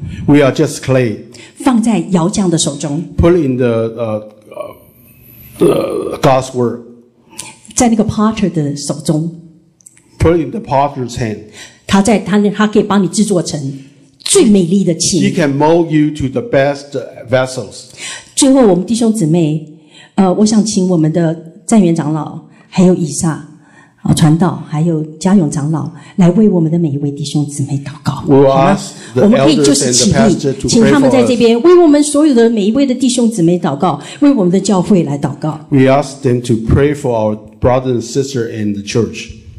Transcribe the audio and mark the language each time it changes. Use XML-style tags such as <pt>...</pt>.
<en>We are just clay.</en> <zh>放在窑匠的手中。</zh> <en>Put in the God's work.</en> <zh>在那个 potter 的手中。</zh> <en>Put in the potter's hand.</en> <zh>他可以帮你制作成最美丽的器。</zh> <en>He can mold you to the best vessels.</en> <zh>最后，我们弟兄姊妹，我想请我们的赞元长老，还有以撒传道，还有嘉永长老，来为我们的每一位弟兄姊妹祷告。</zh> <en>We'll ask the elders and the pastor to pray for us.</en> <zh>请他们在这边为我们所有的每一位的弟兄姊妹祷告，为我们的教会来祷告。</zh> <en>We ask them to pray for our brother and sister in the church.</en>